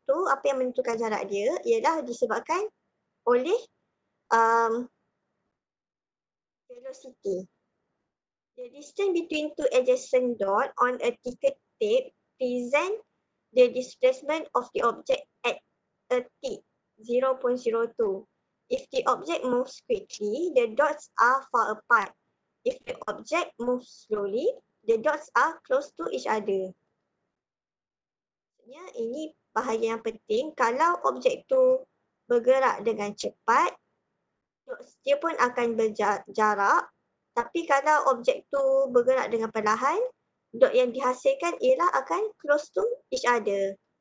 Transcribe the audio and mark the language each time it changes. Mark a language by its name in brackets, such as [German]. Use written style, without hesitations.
[Malay] tu, apa yang menentukan jarak dia ialah disebabkan oleh velocity. [English] The distance between two adjacent dots on a ticker tape present the displacement of the object at a tick, 0.02. If the object moves quickly, the dots are far apart. If the object moves slowly, the dots are close to each other. [Malay] Ya, ini bahagian yang penting. Kalau objek tu bergerak dengan cepat, dots dia pun akan berjarak. Tapi kalau objek tu bergerak dengan perlahan, dot yang dihasilkan ialah akan [English] close to each other.